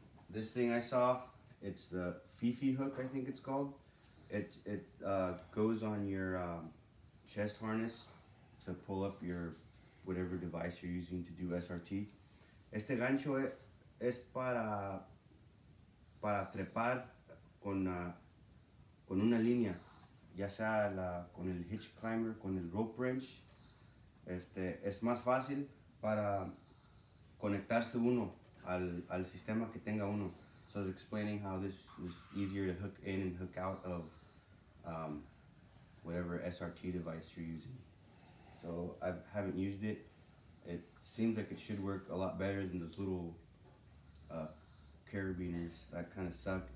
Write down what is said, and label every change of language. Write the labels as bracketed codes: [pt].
[en] This thing I saw, it's the Fifi hook, I think it's called. It goes on your chest harness to pull up your whatever device you're using to do SRT. [es] Este gancho es para trepar con una línea, ya sea con el hitch climber, con el rope wrench. Es más fácil para conectarse uno al sistema que tenga uno. [en] So I was explaining how this is easier to hook in and hook out of whatever SRT device you're using. So I haven't used it. It seems like it should work a lot better than those little carabiners that kind of suck.